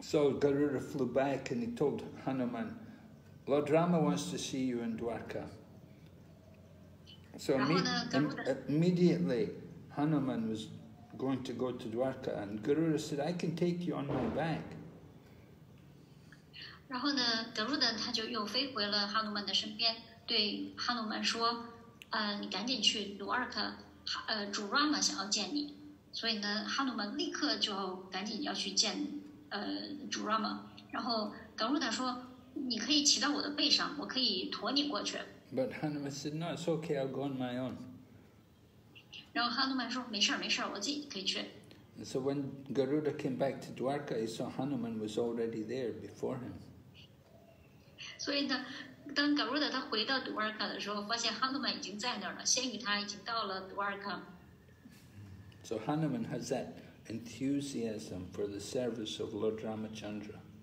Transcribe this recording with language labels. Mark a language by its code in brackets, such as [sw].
[en] So Garuda flew back and he told Hanuman, "Lord Rama wants to see you in Dwarka." So immediately Hanuman was going to go to Dwarka, and Garuda said, "I can take you on my back." [zh] 然后呢，格鲁达他就又飞回了哈努曼的身边，对哈努曼说，你赶紧去努尔克，主 Rama 想要见你。所以呢，哈努曼立刻就赶紧要去见，主 Rama。然后格鲁达说，你可以骑到我的背上，我可以驮你过去。 [en] But Hanuman said, "No, it's okay. I'll go on my own." [zh] 然后哈努曼说，没事儿，没事儿，我自己可以去。 [en] And so when Garuda came back to Dwarka, he saw Hanuman was already there before him. [zh] 所以呢，当 Garuda 他回到 Dwarka 的时候，发现 Hanuman 已经在那儿了，先于他已经到了 Dwarka。 [en] So Hanuman has that enthusiasm for the service of Lord Ramachandra.